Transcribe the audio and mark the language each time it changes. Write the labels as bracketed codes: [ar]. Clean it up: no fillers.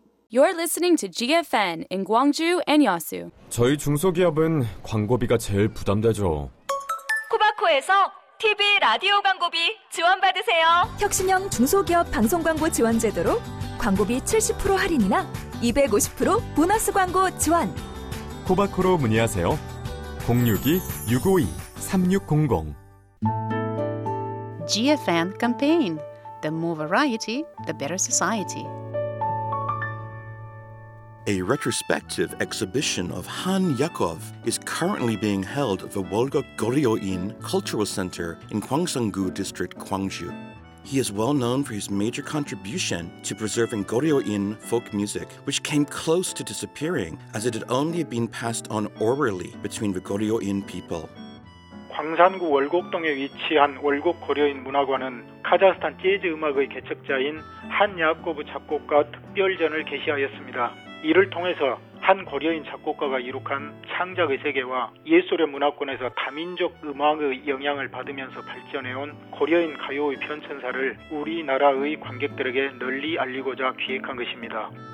[en] You're listening to GFN in Gwangju and Yeosu. [ko] 저희 중소기업은 광고비가 제일 부담되죠. 코바코에서 TV 라디오 광고비 지원받으세요. 혁신형 중소기업 방송 광고 지원 제도로 광고비 70% 할인이나 250% 보너스 광고 지원. 코바코로 문의하세요. 062-652-3600. [en] GFN campaign. The more variety, the better society. A retrospective exhibition of Han Yakov is currently being held at the Wolgok Goryeo-in Cultural Center in Gwangsang-gu District, Gwangju. He is well known for his major contribution to preserving Goryeo-in folk music, which came close to disappearing as it had only been passed on orally between the Goryeo-in people. [ko] 광산구 월곡동에 위치한 월곡 고려인 문화관은 카자흐스탄 재즈 음악의 개척자인 한 야코브 작곡가 특별전을 개시하였습니다. 이를 통해서 한 고려인 작곡가가 이룩한 창작의 세계와 예술의 문화권에서 다민족 음악의 영향을 받으면서 발전해온 고려인 가요의 편천사를 우리나라의 관객들에게 널리 알리고자 기획한 것입니다.